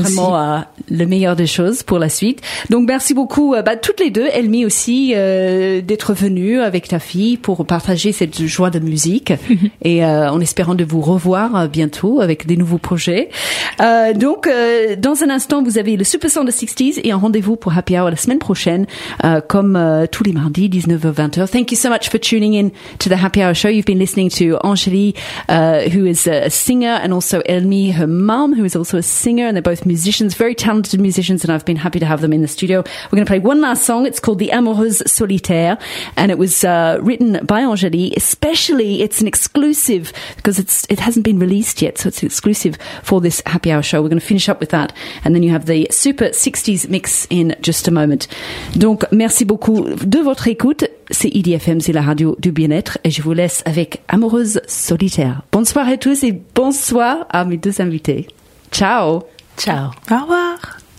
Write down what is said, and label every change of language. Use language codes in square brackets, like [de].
[fr] vraiment le meilleur des choses pour la suite. Donc, merci beaucoup, toutes les deux, Elmi aussi, d'être venue avec ta fille pour partager cette joie de musique. Et en espérant de vous revoir bientôt avec des nouveaux projets. Donc, dans un instant, vous avez le Super Sound of 60s et un rendez-vous pour Happy Hour la semaine prochaine, comme tous les mardis, 19h-20h. [en] Thank you so much for tuning in to the Happy Hour Show. You've been listening to Anjali, who is a singer, and also Elmi, her mom, who is also a singer, and they're both musicians, very talented musicians, and I've been happy to have them in the studio. We're going to play one last song. It's called The Amoureuse Solitaire, and it was written by Anjali. Especially, it's an exclusive, because it hasn't been released yet, so it's exclusive for this Happy Hour show. We're going to finish up with that, and then you have the Super 60s mix in just a moment. [fr] Donc, merci beaucoup de votre écoute. C'est IDFM, c'est la radio du bien-être, et je vous laisse avec Amoureuse Solitaire. Bonsoir à tous et bonsoir à mes deux invités. Ciao. Ciao. Au revoir.